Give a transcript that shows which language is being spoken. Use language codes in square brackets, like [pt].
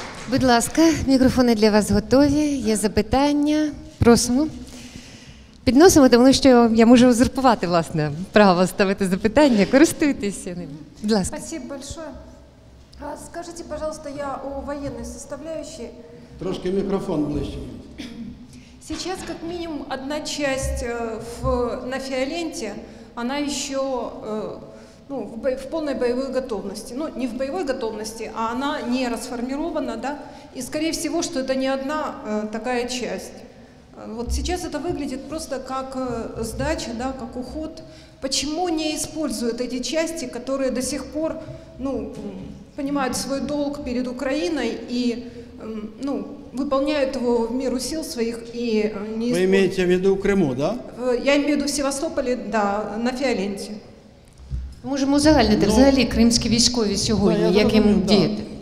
[uk] Будь ласка, мікрофони для вас готові, є запитання. Просимо. Підносимо, тому що я можу узурпувати, власне, право ставити запитання, користуйтеся ним. Будь ласка. [ru] Спасибо большое. Скажите, пожалуйста, я у военной составляющей. Трошки микрофон ближе. Сейчас как минимум одна часть на Фиоленте, она еще в полной боевой готовности. Ну, не в боевой готовности, а она не расформирована, да? И скорее всего, что это не одна такая часть. Вот сейчас это выглядит просто как сдача, да, как уход. Почему не используют эти части, которые до сих пор, понимают свой долг перед Украиной и, выполняют его в меру сил своих и не используют. Вы имеете в виду Крыму, да? Я имею в виду в Севастополе, да, на Фиоленте. [uk] Можемо узагальнити, взагалі, кримські військові сьогодні, як їм діяти?